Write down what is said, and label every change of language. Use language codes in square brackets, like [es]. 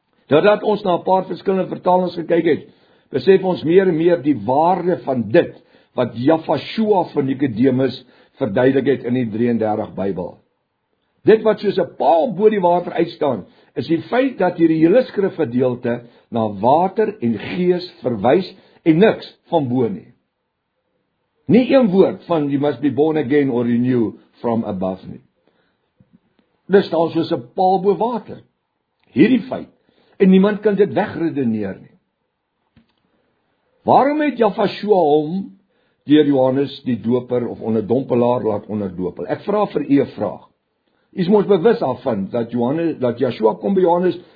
[af] Nadat ons na 'n paar verskillende vertalings gekyk het, besef ons meer en meer die waarde van dit, wat Jehoshua van Nikodemus verduidelik het in die 33 Bybel. Dit wat soos 'n paal bo die water uitstaan, is die feit dat hierdie hele skrifgedeelte na water en gees verwys en niks van bo nie. Nie een woord van [en] you must be born again or renew from above [af] nie. Dit staan soos 'n paal bo water. Hierdie feit. En niemand kan dit wegredeneer nie. Waarom het Jehoshua hom deur Johannes die doper of onderdompelaar laat onderdoopel? Ek vra vir u 'n vraag. Is mos bewus af van dat Jehoshua kom by Johannes.